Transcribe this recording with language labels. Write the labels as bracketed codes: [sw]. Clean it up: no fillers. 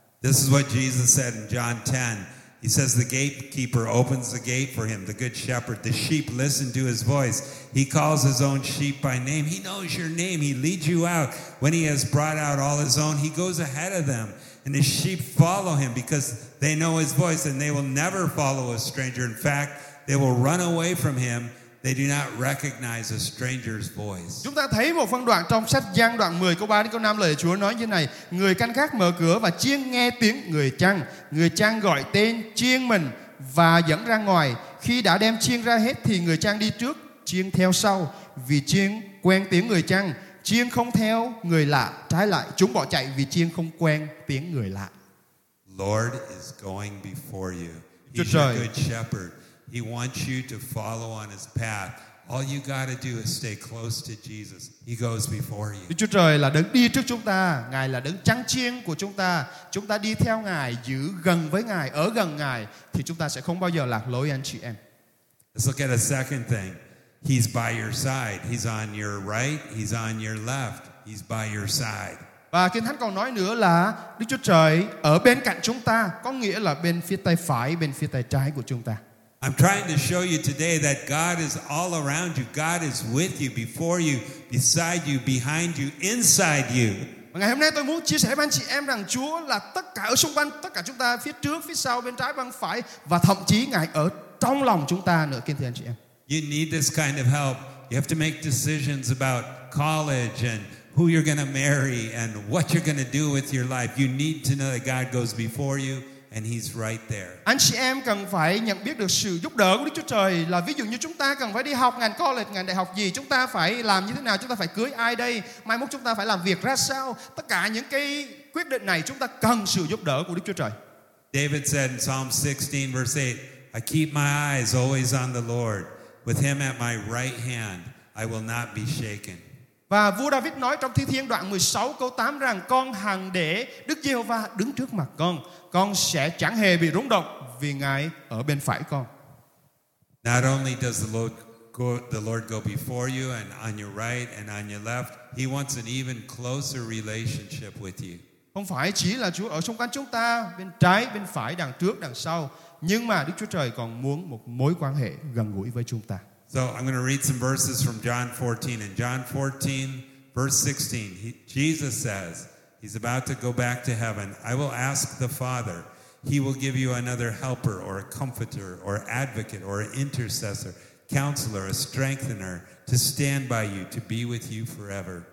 [en] This is what Jesus said in John 10. He says the gatekeeper opens the gate for him, the good shepherd. The sheep listen to his voice. He calls his own sheep by name. He knows your name. He leads you out. When he has brought out all his own, he goes ahead of them. And his sheep follow him because they know his voice, and they will never follow a stranger. In fact, they will run away from him. They do not recognize a stranger's voice. [vi] Chúng ta thấy một phân đoạn trong sách Giăng đoạn 10 câu 3 đến câu 5, lời Chúa nói như này: người canh gác mở cửa và chiên nghe tiếng người chăn gọi tên chiên mình và dẫn ra ngoài. Khi đã đem chiên ra hết thì người chăn đi trước, chiên theo sau, vì chiên quen tiếng người chăn, chiên không theo người lạ, trái lại chúng bỏ chạy vì chiên không quen tiếng người lạ. [en] Lord is going before you. He's a good shepherd. He wants you to follow on his path. All you got to do is stay close to Jesus. He goes before you. [vi] Đức Chúa Trời là đấng đi trước chúng ta, ngài là đấng chăn chiên của chúng ta. Chúng ta đi theo ngài, giữ gần với ngài, ở gần ngài thì chúng ta sẽ không bao giờ lạc lối, anh chị em. [en] Let's look at a second thing. He's by your side. He's on your right, he's on your left. He's by your side. [vi] Và Kinh Thánh còn nói nữa là Đức Chúa Trời ở bên cạnh chúng ta, có nghĩa là bên phía tay phải, bên phía tay trái của chúng ta. [en] I'm trying to show you today that God is all around you. God is with you, before you, beside you, behind you, inside you. [vi] Và ngày hôm nay tôi muốn chia sẻ với anh chị em rằng Chúa là tất cả ở xung quanh, tất cả chúng ta, phía trước, phía sau, bên trái, bên phải, và thậm chí ngài ở trong lòng chúng ta nữa, kính thưa anh chị em. [en] You need this kind of help. You have to make decisions about college and who you're going to marry and what you're going to do with your life. You need to know that God goes before you. And he's right there. [vi] Anh chị em cần phải nhận biết được sự giúp đỡ của Đức Chúa Trời. Là ví dụ như chúng ta cần phải đi học ngành college, ngành đại học gì, chúng ta phải làm như thế nào, chúng ta phải cưới ai đây, mai mốt chúng ta phải làm việc ra sao. Tất cả những cái quyết định này chúng ta cần sự giúp đỡ của Đức Chúa Trời. [en] David said in Psalm 16 verse 8, "I keep my eyes always on the Lord. With him at my right hand, I will not be shaken." [vi] Và vua David nói trong Thi Thiên đoạn 16 câu 8 rằng con hằng để Đức Giê-hô-va đứng trước mặt con. Con sẽ chẳng hề bị rúng động vì ngài ở bên phải con. [en] Not only does the Lord go before you and on your right and on your left, he wants an even closer relationship with you. [vi] Không phải chỉ là Chúa ở xung quanh chúng ta, bên trái, bên phải, đằng trước, đằng sau, nhưng mà Đức Chúa Trời còn muốn một mối quan hệ gần gũi với chúng ta. [en] So I'm going to read some verses from John 14. In John 14, verse 16, Jesus says, he's about to go back to heaven, "I will ask the Father. He will give you another helper or a comforter or advocate or an intercessor counselor, a strengthener, to stand by you, to be with you forever.